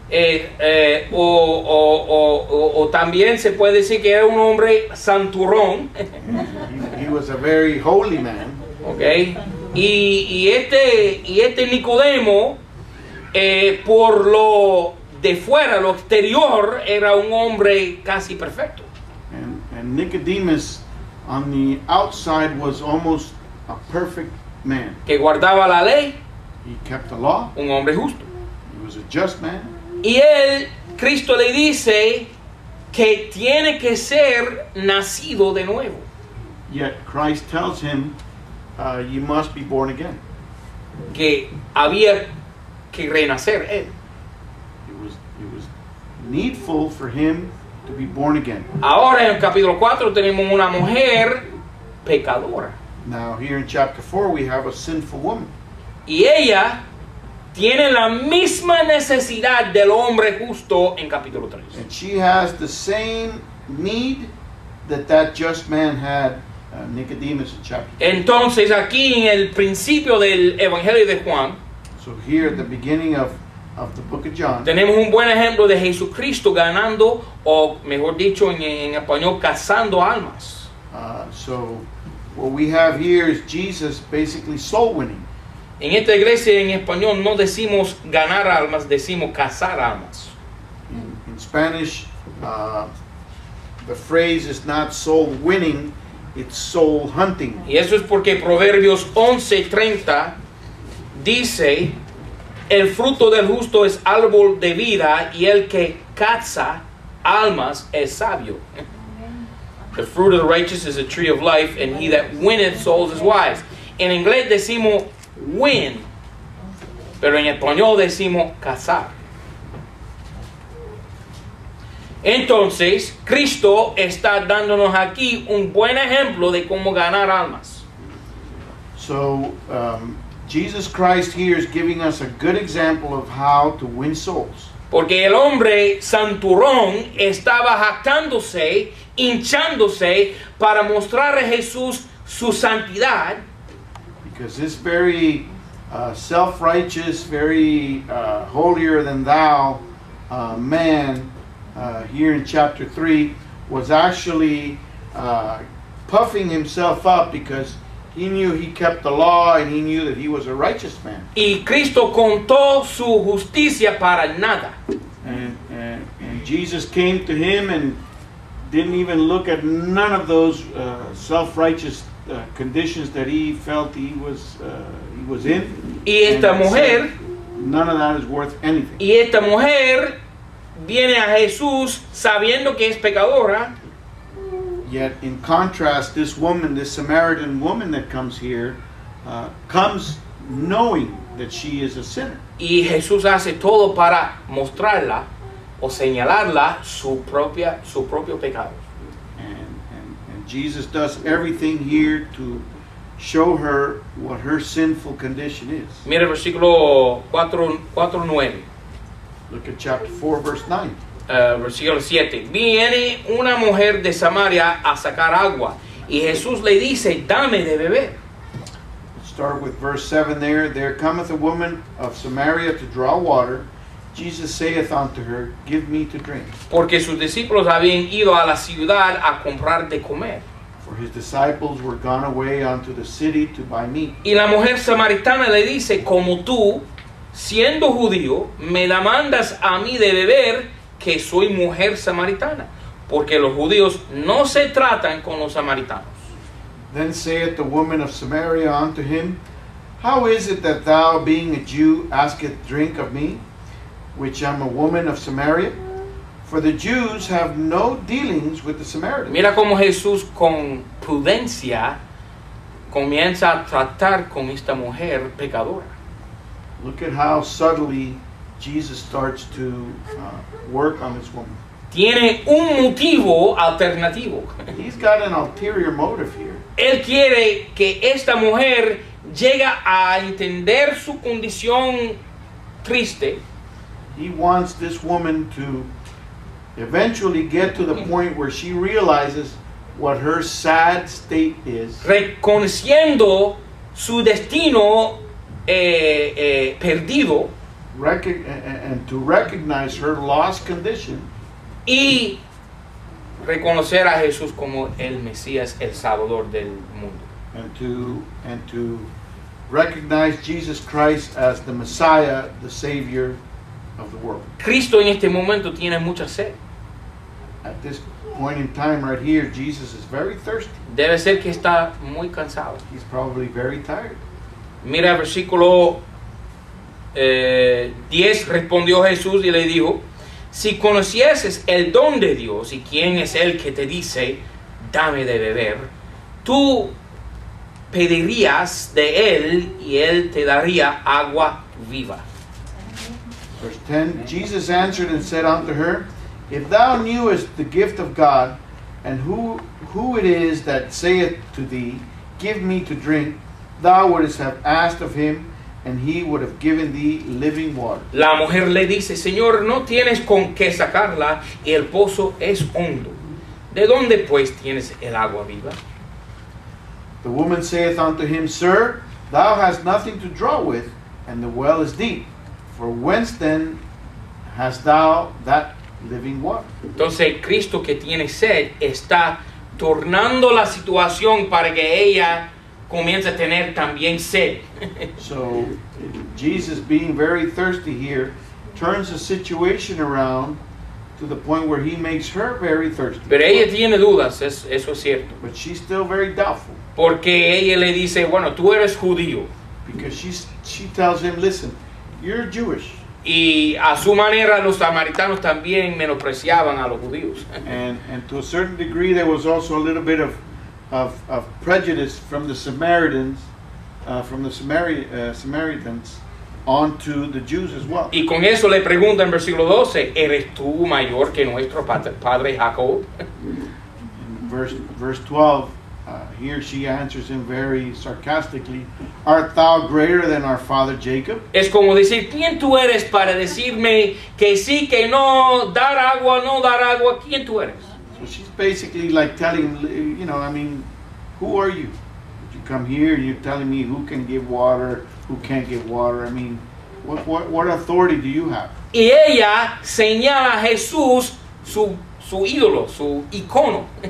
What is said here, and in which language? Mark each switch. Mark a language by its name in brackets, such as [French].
[Spanish] O también se puede decir que era un hombre santurrón. [English] He was a very holy man. Okay. [Spanish] Y este Nicodemo, por lo de fuera, lo exterior, era un hombre casi perfecto. [English] And Nicodemus, on the outside, was almost a perfect man. [Spanish] Que guardaba la ley. [English] He kept the law. [Spanish] Un hombre justo. [English] He was a just man. [Spanish] Y él, Cristo le dice que tiene que ser nacido de nuevo. [English] Yet Christ tells him, you must be born again. [Spanish] Que había que renacer él. [English] It was needful for him to be born again. [Spanish] Ahora en el capítulo 4 tenemos una mujer pecadora. [English] Now here in chapter 4 we have a sinful woman. [Spanish] Y ella tiene la misma necesidad del hombre justo en capítulo 3. [English] And she has the same need that just man had, Nicodemus in chapter 3. [Spanish] Entonces aquí en el principio del Evangelio de Juan, [English] so here at the beginning of the book of John, [Spanish] tenemos un buen ejemplo de Jesucristo ganando, o mejor dicho en español, cazando almas. [English] So what we have here is Jesus basically soul winning. [Spanish] En esta iglesia en español no decimos ganar almas, decimos cazar almas. [English] In Spanish, the phrase is not soul winning, it's soul hunting. [Spanish] Y eso es porque Proverbios 11:30 dice: el fruto del justo es árbol de vida, y el que caza almas es sabio. [English] The fruit of the righteous is a tree of life, and he that winneth souls is wise. [Spanish] En inglés decimos win, pero en español decimos cazar. Entonces, Cristo está dándonos aquí un buen ejemplo de cómo ganar almas. [English] So, Jesus Christ here is giving us a good example of how to win souls. [Spanish] Porque el hombre santurrón estaba jactándose, hinchándose para mostrar a Jesús su santidad. [English] Because this very self-righteous, very holier-than-thou man here in chapter 3 was actually puffing himself up because he knew he kept the law and he knew that he was a righteous man. [Spanish] Y Cristo contó su justicia para nada. [English] And Jesus came to him and didn't even look at none of those self-righteous conditions that he felt he was in. [Spanish] Y esta mujer, [English] said, none of that is worth anything. [Spanish] Y esta mujer viene a Jesús sabiendo que es pecadora. [English] Yet in contrast, this woman, this Samaritan woman that comes here, comes knowing that she is a sinner. [Spanish] Y Jesús hace todo para mostrarla o señalarla su propio pecado. [English] And Jesus does everything here to show her what her sinful condition is. [Spanish] Mira el versículo 4:9. [English] Look at chapter 4, verse 9. [Spanish] Versículo 7. Viene una mujer de Samaria a sacar agua. Y Jesús le dice, dame de beber. [English] Start with verse 7 there. There cometh a woman of Samaria to draw water. Jesus saith unto her, give me to drink. [Spanish] Porque sus discípulos habían ido a la ciudad a comprar de comer. [English] For his disciples were gone away unto the city to buy meat. [Spanish] Y la mujer samaritana le dice, como tú, siendo judío, me la mandas a mí de beber, que soy mujer samaritana, porque los judíos no se tratan con los samaritanos. [English] Then saith the woman of Samaria unto him, how is it that thou, being a Jew, asketh drink of me, which am a woman of Samaria? For the Jews have no dealings with the Samaritans. [Spanish] Mira cómo Jesús con prudencia comienza a tratar con esta mujer pecadora. [English] Look at how subtly Jesus starts to work on this woman. [Spanish] Tiene un motivo alternativo. [English] He's got an ulterior motive here. [Spanish] Él quiere que esta mujer llegue a entender su condición triste. [English] He wants this woman to eventually get to the point where she realizes what her sad state is. [Spanish] Reconociendo su destino perdido. [English] And to recognize her lost condition. [Spanish] Y reconocer a Jesús como el Mesías, el Salvador del mundo. [English] And to recognize Jesus Christ as the Messiah, the Savior of the world. [Spanish] Cristo en este momento tiene mucha sed. [English] At this point in time right here, Jesus is very thirsty. [Spanish] Debe ser que está muy cansado. [English] He's probably very tired. [Spanish] Mira el versículo 10, respondió Jesús y le dijo, si conocieses el don de Dios y quién es el que te dice, dame de beber, tú pedirías de él y él te daría agua viva. [English] Verse 10, Jesus answered and said unto her, if thou knewest the gift of God, and who it is that saith to thee, give me to drink, thou wouldest have asked of him, and he would have given thee living water. [Spanish] La mujer le dice, Señor, no tienes con qué sacarla, y el pozo es hondo. ¿De dónde, pues, tienes el agua viva? [English] The woman saith unto him, Sir, thou hast nothing to draw with, and the well is deep. For whence, then, hast thou that living water? [Spanish] Entonces, Cristo, que tiene sed, está tornando la situación para que ella comienza a tener también sed. [English] So, Jesus, being very thirsty here, turns the situation around to the point where he makes her very thirsty. [Spanish] Pero ella tiene dudas, eso es cierto. [English] But she's still very doubtful. [Spanish] Porque ella le dice, bueno, tú eres judío. [English] Because she tells him, listen, you're Jewish. [Spanish] Y a su manera los samaritanos también menospreciaban a los judíos. [English] And to a certain degree there was also a little bit of prejudice from the Samaritans, from the Samaritans, onto the Jews as well. [Spanish] Y con eso le pregunta en versículo 12, ¿eres tú mayor que nuestro padre Jacob? [English] Verse 12, here she answers him very sarcastically, art thou greater than our father Jacob? [Spanish] Es como decir, ¿quién tú eres para decirme que sí, que no, dar agua, no dar agua, quién tú eres? [English] So she's basically like telling, you know, I mean, who are you? You come here and you're telling me who can give water, who can't give water. I mean, what authority do you have? [Spanish] Y ella señala a Jesús, su ídolo, su icono.